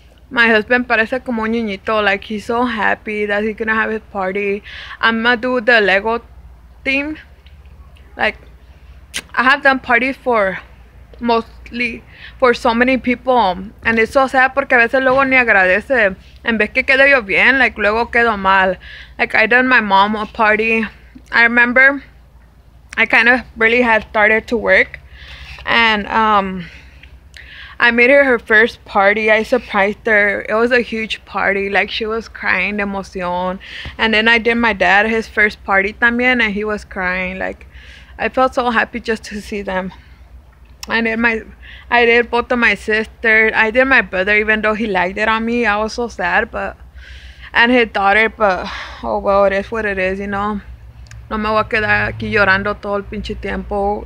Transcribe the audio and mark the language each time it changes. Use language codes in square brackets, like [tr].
[en] My husband [es] parece como un niñito, [en] like he's so happy that he's gonna have his party. I'm gonna do the Lego theme. Like, I have done parties for mostly for so many people, and it's so sad [es] porque a veces luego ni agradece. En vez que quedo yo bien, like, luego quedo mal. [en] Like, I done my mom a party. I remember I kind of really had started to work. And I made her first party. I surprised her. It was a huge party. Like, she was crying [es] de emoción. [en] And then I did my dad his first party también, and he was crying. Like, I felt so happy just to see them. I did both of my sisters. I did my brother, even though he liked it on me. I was so sad, but, and his daughter, but, oh well, it is what it is, you know. [es] No me voy a quedar aquí llorando todo el pinche tiempo.